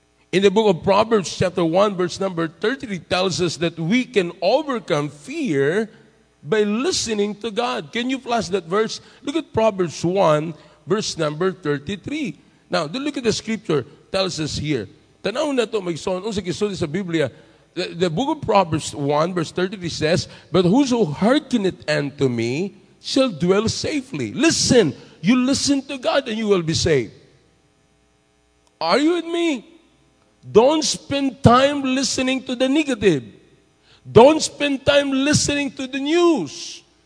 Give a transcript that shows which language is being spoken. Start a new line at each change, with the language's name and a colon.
English: In the book of Proverbs chapter 1, verse number 33 tells us that we can overcome fear by listening to God. Can you flash that verse? Look at Proverbs 1, verse number 33. Now, look at the scripture tells us here.
Cebuano: Tanaw na ito, magsoon, unsa kisulti sa Biblia.
English: The book of Proverbs 1, verse 33 says, "But whoso hearkeneth unto me shall dwell safely." Listen. You listen to God and you will be saved. Are you with me? Don't spend time listening to the negative. Don't spend time listening to the news.